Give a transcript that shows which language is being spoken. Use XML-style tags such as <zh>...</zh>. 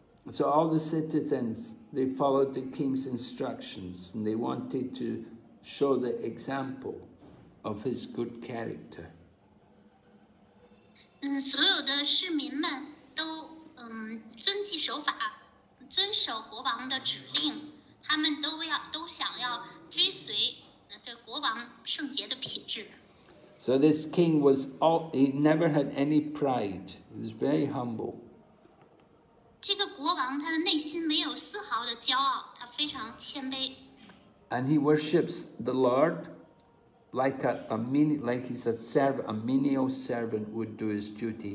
<en>So all the citizens, they followed the king's instructions and they wanted to show the example of his good character.</en> <zh>所有的市民们都遵纪守法，遵守国王的指令，他们都想要追随这国王圣洁的品质。</zh> <en>So this king was he never had any pride. He was very humble.</en> <zh>这个国王他的内心没有丝毫的骄傲，他非常谦卑。</zh> <en>And he worships the Lord like a menial servant would do his duty.</en>